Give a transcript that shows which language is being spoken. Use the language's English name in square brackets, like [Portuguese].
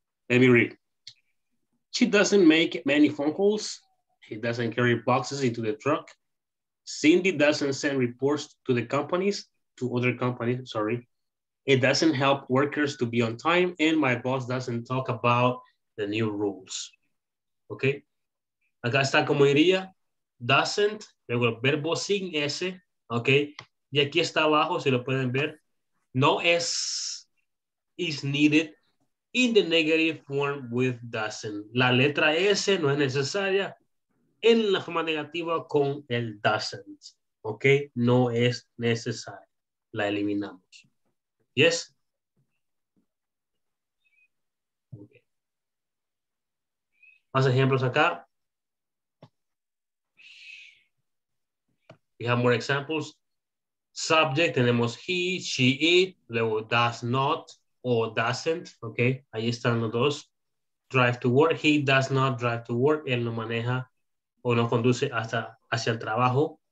[English] Let me read. She doesn't make many phone calls. He doesn't carry boxes into the truck. Cindy doesn't send reports to the companies, to other companies, sorry. It doesn't help workers to be on time, and my boss doesn't talk about the new rules. Okay? [Spanish] Acá está como diría, doesn't, luego el verbo sin S, okay? Y aquí está abajo, si lo pueden ver, [English] no S is needed in the negative form with doesn't. [Spanish] La letra S no es necesaria en la forma negativa con el doesn't. Okay? No es necesaria. La eliminamos. Yes. [English] Okay. [Spanish] Más ejemplos acá. [English] We have more examples. Subject, tenemos he, she, it, luego does not or doesn't. [Spanish] Okay, ahí están los dos. [English] Drive to work, he does not drive to work. [Spanish] Él no maneja o no conduce hacia el trabajo.